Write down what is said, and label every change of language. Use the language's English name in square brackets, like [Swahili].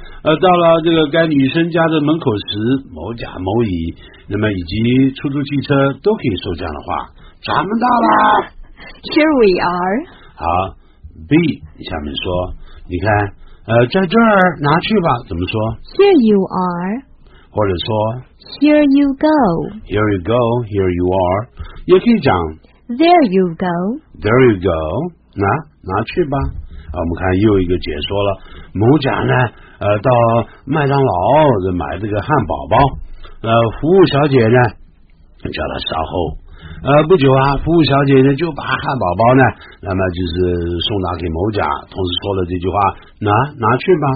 [Chinese] 到了这个该女生家的门口时，某甲某乙那么以及出租汽车都可以说这样的话，咱们到了。 [English] Here we are。 [Chinese] 好， B 下面说，你看在这儿拿去吧，怎么说？ [English] Here you are， [Chinese] 或者说 [English] Here you go。 Here you go, here you are， [Chinese] 也可以讲 [English] There you go。 There you go， [Chinese] 拿去吧。啊，我们看又一个解说了，某甲呢到麦当劳买这个汉堡包，服务小姐呢叫他稍后，不久啊，服务小姐呢就把汉堡包呢那么就是送达给某甲，同时说了这句话，拿去吧。